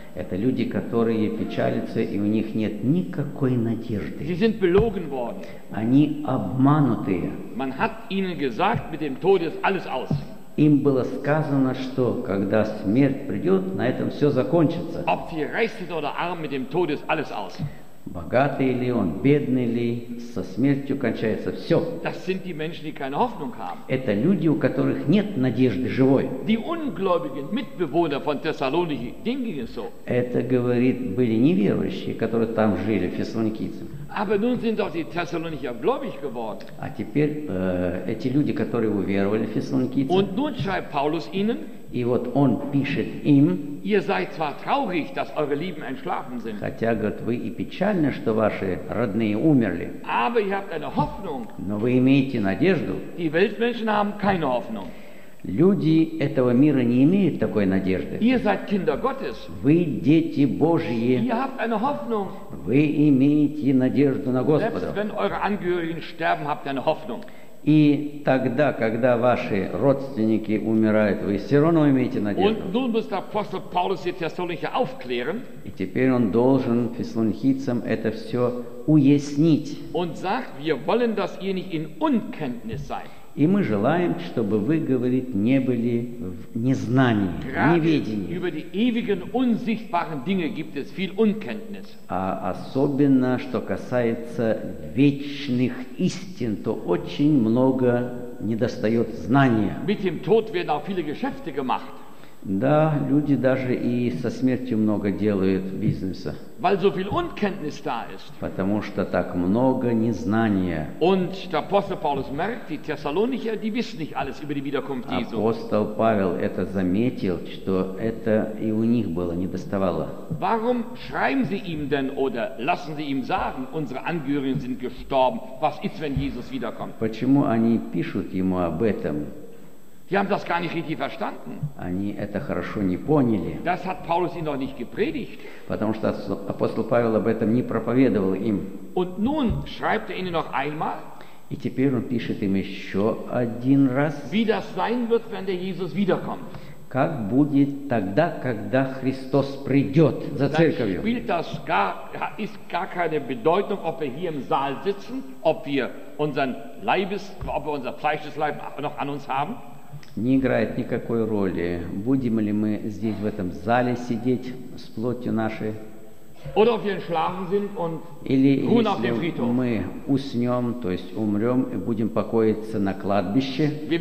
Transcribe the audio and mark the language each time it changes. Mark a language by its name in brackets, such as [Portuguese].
[Russian] Это люди, которые печалятся, и у них нет никакой надежды. [German] Sie sind belogen worden. [Russian] Они обманутые. [German] Man hat ihnen gesagt, mit dem Tod ist alles aus. [Russian] Им было сказано, что когда смерть придет, на этом все закончится. [German] Ob sie reich sind oder arm, mit dem Tod ist alles aus. [Russian] Богатый ли он, бедный ли, со смертью кончается все. [German] Das sind die Menschen, die keine Hoffnung haben. [Russian] Это люди, у которых нет надежды живой. [German] Die ungläubigen Mitbewohner von Thessaloniki, denen ging es so. [Russian] Это, говорит, были неверующие, которые там жили, фессалоникийцы. [German] Aber nun sind auch die Thessalonicher gläubig geworden. [Russian] А теперь эти люди, которые уверовали, фессалоникийцы. [German] Und nun schreibt Paulus ihnen. [Russian] И вот он пишет им. [German] Ihr seid zwar traurig, dass eure Lieben entschlafen sind. [Russian] Хотя, говорит, вы и печальны, что ваши родные умерли. [German] Aber ihr habt eine Hoffnung. [Russian] Но вы имеете надежду. [German] Die Weltmenschen haben keine Hoffnung. [Russian] Люди этого мира не имеют такой надежды. [German] Ihr seid Kinder Gottes. [Russian] Вы дети Божьи. [German] Ihr habt eine Hoffnung. [Russian] Вы имеете надежду на Господа. [German] Selbst wenn eure Angehörigen sterben, habt ihr eine Hoffnung. [Russian] И тогда, когда ваши родственники умирают, вы все равно имеете надежду. [German] Und nun muss der Apostel Paulus die Thessalonicher aufklären. [Russian] И теперь он должен фессалоникийцам это все уяснить. [German] Und sagt, wir wollen, dass ihr nicht in Unkenntnis seid. [Russian] И мы желаем, чтобы вы, говорит, не были в незнании, неведении. [German] Über die ewigen unsichtbaren Dinge gibt es viel Unkenntnis. [Russian] А особенно, что касается вечных истин, то очень много недостает знания. [German] Mit dem Tod werden auch viele Geschäfte gemacht. [Russian] Да, люди даже и со смертью много делают бизнеса. [German] Weil so viel Unkenntnis da ist. [Russian] Потому что так много незнания. [German] Und der Apostel Paulus merkt, die Thessalonicher, die wissen nicht alles über die Wiederkunft Jesu. [Russian] Апостол Павел это заметил, что это и у них было недоставало. [German] Warum schreiben sie ihm denn oder lassen sie ihm sagen, unsere Angehörigen sind gestorben? Was ist, wenn Jesus wiederkommt? [Russian] Почему они пишут ему об этом? [German] Die haben das gar nicht richtig verstanden. [Russian] Они это хорошо не поняли. [German] Das hat Paulus ihnen noch nicht gepredigt. [Russian] Потому что апостол Павел об этом не проповедовал им. [German] Und nun schreibt er ihnen noch einmal. [Russian] И теперь он пишет им еще один раз. [German] Wie das sein wird, wenn der Jesus wiederkommt. [Russian] Как будет тогда, когда Христос придет за церковью? [German] Spielt das gar, ist gar keine Bedeutung, ob wir hier im Saal sitzen, ob wir unseren Leibes, ob wir unser fleischliches Leib noch an uns haben. [Russian] Не играет никакой роли, будем ли мы здесь в этом зале сидеть с плотью нашей, или если мы уснем, то есть умрем и будем покоиться на кладбище.